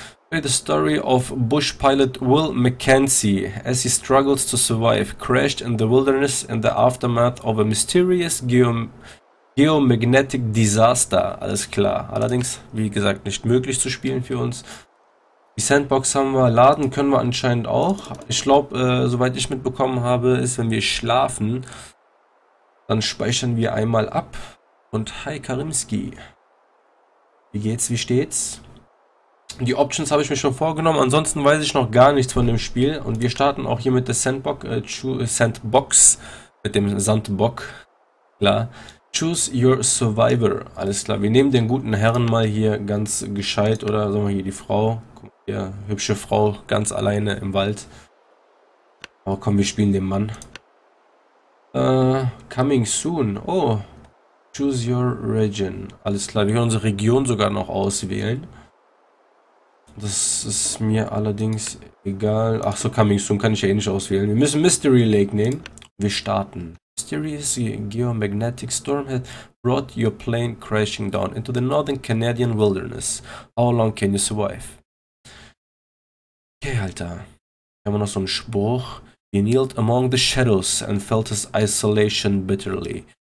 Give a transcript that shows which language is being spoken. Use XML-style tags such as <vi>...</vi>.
<en>The story of Bush Pilot Will Mackenzie as he struggles to survive, crashed in the wilderness in the aftermath of a mysterious geomagnetic disaster.</en> <de>Alles klar. Allerdings, wie gesagt, nicht möglich zu spielen für uns. Die Sandbox haben wir. Laden können wir anscheinend auch. Ich glaube, soweit ich mitbekommen habe, ist, wenn wir schlafen, dann speichern wir einmal ab. Und hi Karimski. Wie geht's? Wie steht's? Die Options habe ich mir schon vorgenommen, ansonsten weiß ich noch gar nichts von dem Spiel. Und wir starten auch hier mit der Sandbox, mit dem Sandbock. Klar.</de> <en>Choose your Survivor.</en> <de>Alles klar. Wir nehmen den guten Herrn mal hier ganz gescheit. Oder sagen wir hier die Frau. Guck, hier, hübsche Frau, ganz alleine im Wald. Aber oh, komm, wir spielen den Mann.</de> <en>Coming soon.</en> <de>Oh.</de> <en>Choose your region.</en> <de>Alles klar. Wir können unsere Region sogar noch auswählen. Das ist mir allerdings egal. Ach so, Coming Soon kann ich ja eh nicht auswählen. Wir müssen Mystery Lake nehmen. Wir starten.</de> <en>Mysterious geomagnetic storm has brought your plane crashing down into the northern Canadian wilderness. How long can you survive?</en> <de>Okay, Alter. Hier haben wir noch so einen Spruch.</de> <en>He kneeled among the shadows and felt his isolation bitterly.</en>